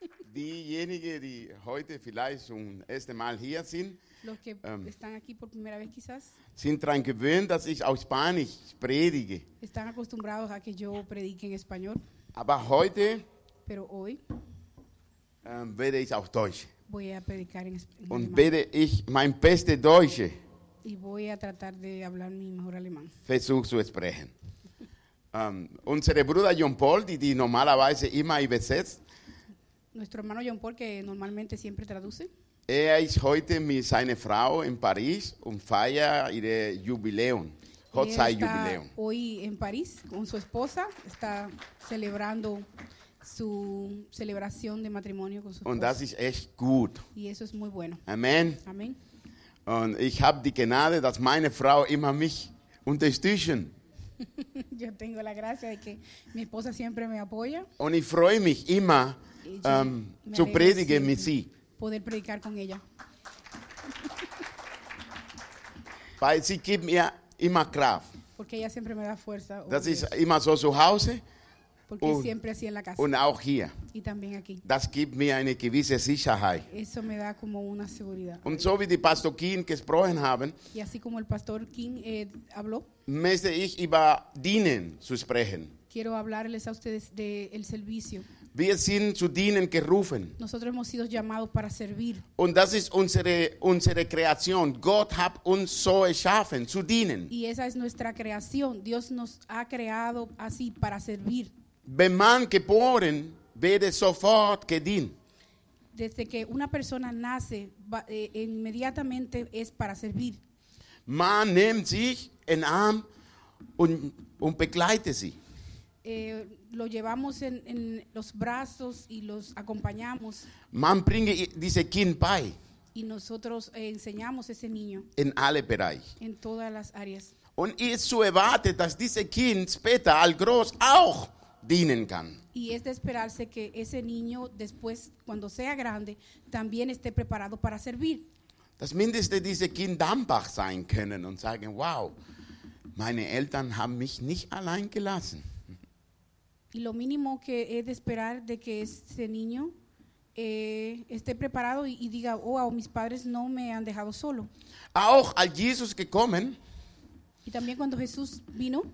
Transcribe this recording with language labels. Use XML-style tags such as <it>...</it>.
<de>Diejenigen, die heute vielleicht zum ersten Mal hier sind,</de> <es>los que están aquí por primera vez quizás,</es> <de>sind daran gewöhnt, dass ich auf Spanisch predige.</de> <es>Están acostumbrados a que yo predique en español.</es> <de>Aber heute,</de> <es>pero hoy,</es> <de>werde ich auf Deutsch.</de> <es>Voy a predicar en alemán.</es> <de>Und werde ich mein bestes Deutsch.</de> <es>Y voy a tratar de hablar mi mejor alemán.</es> <de>Versuch zu sprechen. Unsere Bruder John Paul, die normalerweise immer übersetzt.</de> <es>Nuestro hermano John Paul, que normalmente siempre traduce.</es> <de>Er ist heute mit seiner Frau in Paris und feiert ihr Jubiläum. Gott sei Jubiläum.</de> <es>Está hoy en París con su esposa, está celebrando su celebración de matrimonio con su esposa.</es> <de>Und das ist echt gut.</de> <es>Y eso es muy bueno. Amen. Amen.</es> <de>Und ich habe die Gnade, dass meine Frau immer mich unterstützt.</de> <es>Yo tengo la gracia de que mi esposa siempre me apoya.</es> <de>Und ich freue mich immer zu predigen mit sie.</de> <es>Poder predicar con ella.</es> <de>Weil sie gibt mir immer Kraft.</de> <es>Porque ella siempre me da fuerza.</es> <de>Das ist immer so zu Hause.</de> <es>Porque es siempre así en la casa.</es> <de>Und auch hier.</de> <es>Y también aquí.</es> <de>Das gibt mir eine gewisse Sicherheit.</de> <es>Eso me da como una seguridad.</es> <de>Und so wie die Pastor King gesprochen haben,</de> <es>y así como el Pastor King habló,</es> <de>möchte ich über Dienen zu sprechen.</de> <es>Quiero hablarles a ustedes de el servicio.</es> <de>Wir sind zu dienen gerufen.</de> <es>Nosotros hemos sido llamados para servir.</es> <de>Und das ist unsere Kreation. Gott hat uns so erschaffen, zu dienen.</de> <es>Y esa es nuestra creación. Dios nos ha creado así para servir.</es> <de>Wenn man geboren wird, sofort gedient.</de> <es>Desde que una persona nace, inmediatamente es para servir.</es> <de>Man nimmt sich en arm und begleitet sie.</de> <es>Lo llevamos en los brazos y los acompañamos.</es> <de>Man bringe diese Kind bei.</de> <es>Y nosotros enseñamos ese niño.</es> <de>En alle Bereiche.</de> <es>En todas las áreas.</es> <de>Und es zu erwarten, dass diese Kind später al groß auch dienen kann.</de> <es>Y es de esperarse que ese niño después, cuando sea grande, también esté preparado para servir.</es> <de>Das mindeste diese Kind dankbar sein können und sagen, wow, meine Eltern haben mich nicht allein gelassen.</de> <es>Y lo mínimo que es de esperar de que ese niño esté preparado y diga, wow, mis padres no me han dejado solo.</es> <de>Auch als Jesus gekommen.</de> <es>Y también cuando Jesús vino.</es>